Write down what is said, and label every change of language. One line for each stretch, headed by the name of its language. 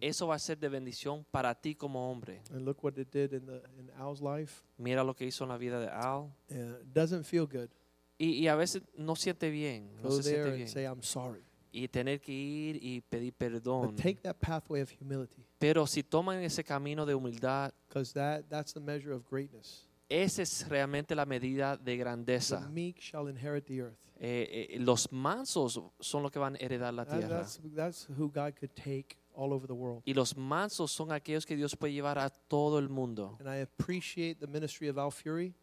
Spanish: Eso va a ser de bendición para ti como hombre.
English: And look what it did in Al's life.
Spanish: Mira lo que hizo en la vida de Al.
English: It doesn't feel good.
Spanish: y a veces no siente bien,
English: go
Spanish: no se siente bien.
English: Say, I'm sorry.
Spanish: Y tener que ir y pedir perdón.
English: But take that pathway of humility.
Spanish: Pero si toman ese camino de humildad,
English: because that's the measure of greatness.
Spanish: Esa es realmente la medida de grandeza.
English: The meek shall inherit the earth.
Spanish: Los mansos son los que van a heredar la tierra.
English: That's who God could take all over the world.
Spanish: Y los mansos son aquellos que Dios puede llevar a todo el mundo.
English: And I appreciate the ministry of Al Fury.